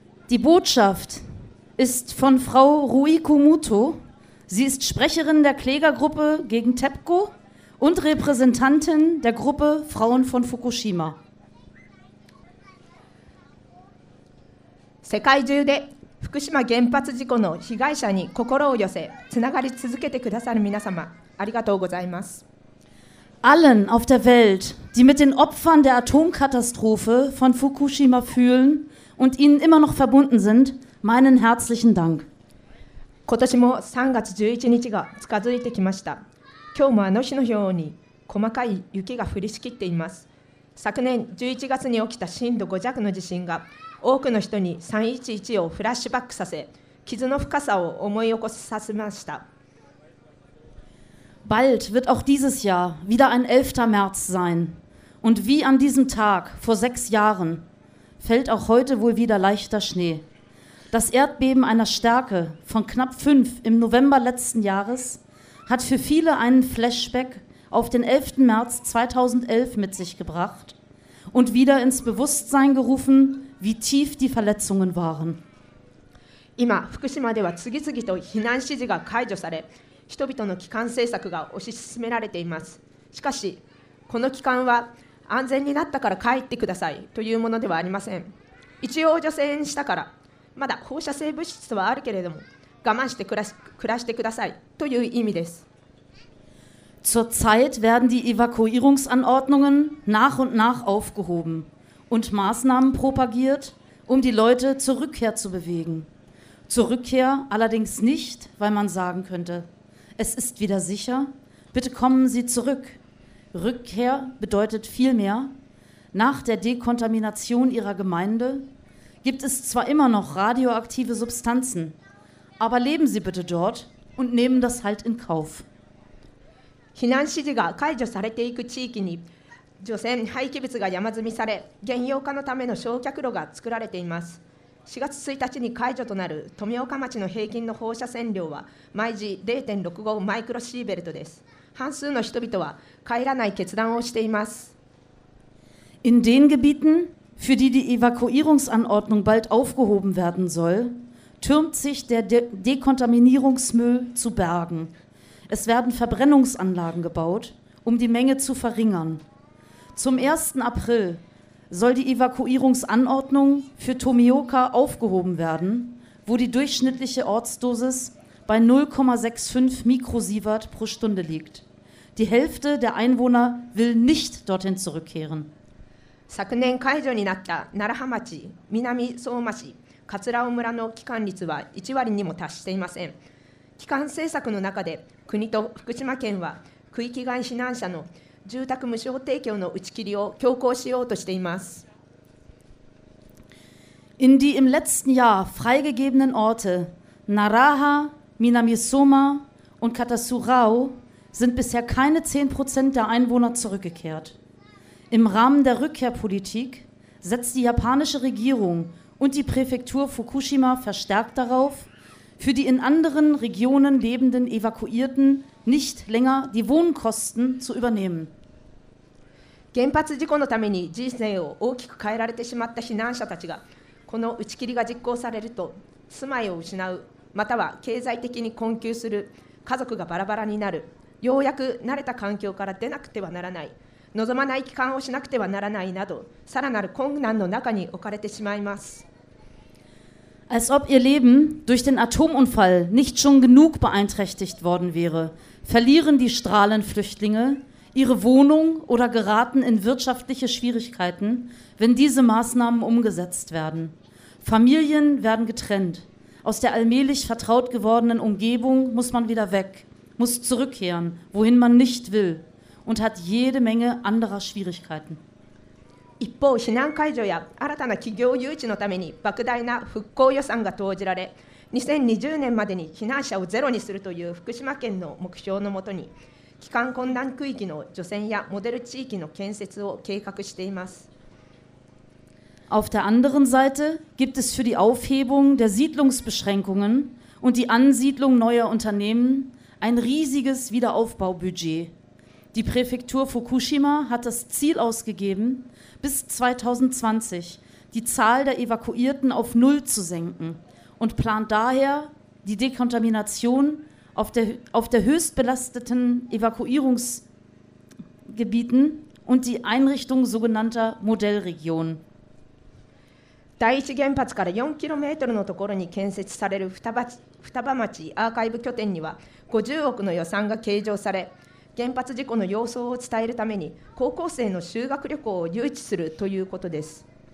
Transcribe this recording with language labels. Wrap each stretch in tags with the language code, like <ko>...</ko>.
<de>Die Botschaft ist von Frau Ruiko Muto. Sie ist Sprecherin der Klägergruppe gegen TEPCO und Repräsentantin der Gruppe Frauen von Fukushima.</de> <ja>世界中で福島原発事故の被害者に心を寄せ、つながり続けてくださる皆様、ありがとうございます。</ja> <de>Allen auf der Welt, die mit den Opfern der Atomkatastrophe von Fukushima fühlen und ihnen immer noch verbunden sind, meinen herzlichen Dank.</de> <ja>今年も3月11日が近づいてきました。今日もあの日のように細かい雪が降りしきっています。昨年11月に起きた震度5弱の地震が多くの人に311をフラッシュバックさせ、傷の深さを思い起こさせました。</ja> <de>Bald wird auch dieses Jahr wieder ein 11. März sein. Und wie an diesem Tag vor 6 Jahren fällt auch heute wohl wieder leichter Schnee. Das Erdbeben einer Stärke von knapp 5 im November letzten Jahres hat für viele einen Flashback auf den 11. März 2011 mit sich gebracht und wieder ins Bewusstsein gerufen, wie tief die Verletzungen waren.</de> <ja>今、福島では次々と避難指示が解除され、人々の帰還政策が推し進められています。しかし、この帰還は安全になったから帰ってくださいというものではありません。一応除染したから、まだ放射性物質はあるけれども、我慢して暮らしてくださいという意味です。</ja> <de>Zurzeit werden die Evakuierungsanordnungen nach und nach aufgehoben und Maßnahmen propagiert, um die Leute zur Rückkehr zu bewegen. Zur Rückkehr allerdings nicht, weil man sagen könnte, es ist wieder sicher, bitte kommen Sie zurück. Rückkehr bedeutet vielmehr, nach der Dekontamination Ihrer Gemeinde gibt es zwar immer noch radioaktive Substanzen, aber leben Sie bitte dort und nehmen das halt in Kauf.</de> <ja>避難指示が解除されていく地域に除染廃棄物が山積みされ、原油化のための焼却炉が作られています。 4月1日に解除となる富岡町の平均の放射線量は毎時 0.65 マイクロシーベルトです。半数の人々は帰らない決断をしています。</ja> <de>In den Gebieten, für die die Evakuierungsanordnung bald aufgehoben werden soll, türmt sich der Dekontaminierungsmüll zu Bergen. Es werden Verbrennungsanlagen gebaut, um die Menge zu verringern. Zum 1. April soll die Evakuierungsanordnung für Tomioka aufgehoben werden, wo die durchschnittliche Ortsdosis bei 0,65 Mikrosievert pro Stunde liegt. Die Hälfte der Einwohner will nicht dorthin zurückkehren.</de> <ja>昨年解除になった楢葉町、南相馬市、葛尾村の帰還率は1割にも達していません。帰還政策の中で国と福島県は区域外避難者の住宅無償提供の打ち切りを強行しようとしています。</ja> <de>In die im letzten Jahr freigegebenen Orte Naraha, Minamisoma und Katasurao sind bisher keine 10% der Einwohner zurückgekehrt. Im Rahmen der Rückkehrpolitik setzt die japanische Regierung und die Präfektur Fukushima verstärkt darauf, für die in anderen Regionen lebenden Evakuierten nicht länger die Wohnkosten zu übernehmen.</de> <ja>原発事故のために人生を大きく変えられてしまった避難者たちが、この打ち切りが実行されると、住まいを失う、または経済的に困窮する、家族がバラバラになる、ようやく慣れた環境から出なくてはならない、望まない帰還をしなくてはならないなど、さらなる困難の中に置かれてしまいます。</ja> <de>Als ob ihr Leben durch den Atomunfall nicht schon genug beeinträchtigt worden wäre, verlieren die Strahlenflüchtlinge ihre Wohnung oder geraten in wirtschaftliche Schwierigkeiten, wenn diese Maßnahmen umgesetzt werden. Familien werden getrennt. Aus der allmählich vertraut gewordenen Umgebung muss man wieder weg, muss zurückkehren, wohin man nicht will und hat jede Menge anderer Schwierigkeiten.</de> <ja>一方、避難解除や新たな企業誘致のために莫大な復興予算が投じられ、2020年までに避難者をゼロにするという福島県の目標のもとに、帰還困難区域の除染やモデル地域の建設を計画しています。</ja> <de>Auf der anderen Seite gibt es für die Aufhebung der Siedlungsbeschränkungen und die Ansiedlung neuer Unternehmen ein riesiges Wiederaufbaubudget. Die Präfektur Fukushima hat das Ziel ausgegeben, bis 2020 die Zahl der Evakuierten auf null zu senken und plant daher, die Dekontamination auf der höchst belasteten Evakuierungsgebieten und die Einrichtung sogenannter Modellregionen.</de> <ja>第一原発から4キロメートルのところに建設される双葉町アーカイブ拠点には50億の予算が計上され、原発事故の様相を伝えるために高校生の修学旅行を誘致するということです。</ja>